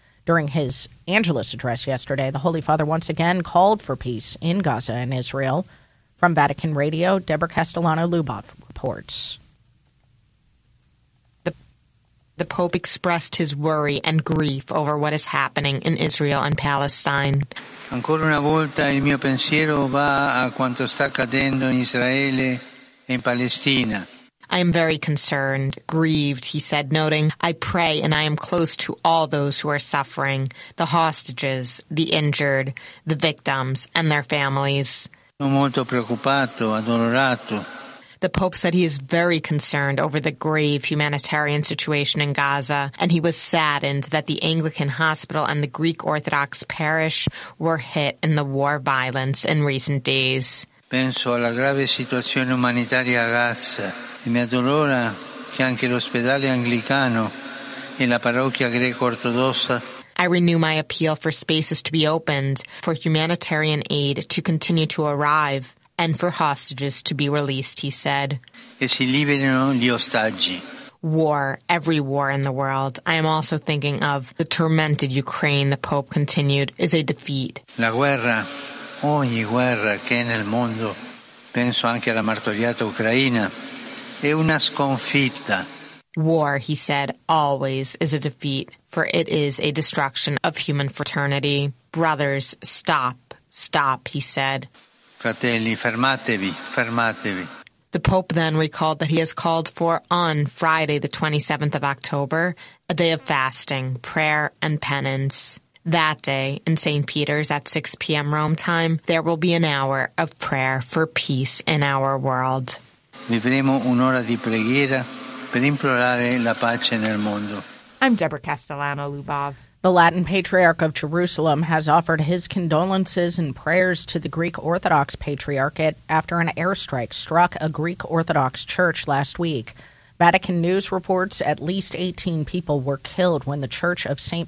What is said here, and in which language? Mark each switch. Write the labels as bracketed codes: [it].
[en] During his Angelus address yesterday, the Holy Father once again called for peace in Gaza and Israel. From Vatican Radio, Deborah Castellano-Luboff reports. The Pope expressed his worry and grief over what is happening in Israel and Palestine. [it] Ancora una volta il mio pensiero va a quanto sta accadendo in Israele e in Palestina. [en] I am very concerned, grieved, he said, noting, I pray and I am close to all those who are suffering, the hostages, the injured, the victims, and their families. [it] Sono molto preoccupato, addolorato. [en] The Pope said he is very concerned over the grave humanitarian situation in Gaza, and he was saddened that the Anglican hospital and the Greek Orthodox parish were hit in the war violence in recent days. [it] Penso alla grave situazione umanitaria a Gaza, e mi addolora che anche l'ospedale anglicano e la parrocchia greco-ortodossa. [en] I renew my appeal for spaces to be opened, for humanitarian aid to continue to arrive, and for hostages to be released, he said. [it] E si liberino gli ostaggi. [en] War, every war in the world. I am also thinking of the tormented Ukraine, the Pope continued, is a defeat. [it] La guerra, ogni guerra che è nel mondo, penso anche alla martoriata Ucraina, è una sconfitta. [en] War, he said, always is a defeat, for it is a destruction of human fraternity. Brothers, stop, stop, he said. [it] Fratelli, fermatevi, fermatevi. [en] The Pope then recalled that he has called for, on Friday, the 27th of October, a day of fasting, prayer, and penance. That day in St. Peter's at 6 p.m. Rome time, there will be an hour of prayer for peace in our world. [it] Vivremo un'ora di preghiera per implorare la pace nel mondo. [en] I'm Deborah Castellano Lubov. The Latin Patriarch of Jerusalem has offered his condolences and prayers to the Greek Orthodox Patriarchate after an airstrike struck a Greek Orthodox church last week. Vatican News reports at least 18 people were killed when the Church of St.